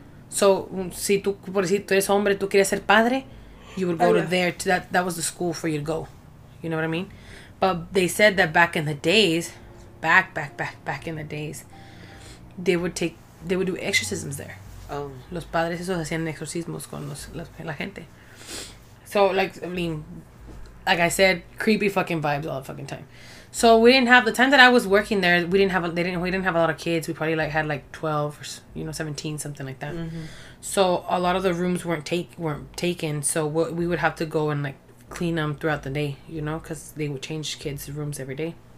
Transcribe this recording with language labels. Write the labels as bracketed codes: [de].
[es] So, si tú, por decir, tú eres hombre, tú quieres ser padre, [en] you would go to there. That was the school for you to go. You know what I mean? But they said that back in the days... Back in the days, they would do exorcisms there. Oh. [es] Los padres esos hacían exorcismos con la gente. [en] So, like, I mean, like I said, creepy fucking vibes all the fucking time. So, we didn't have, the time that I was working there, we didn't have a lot of kids. We probably, like, had, like, 12 or, you know, 17, something like that. So, a lot of the rooms weren't taken, so we would have to go and, like, clean them throughout the day, you know, because they would change kids' rooms every day.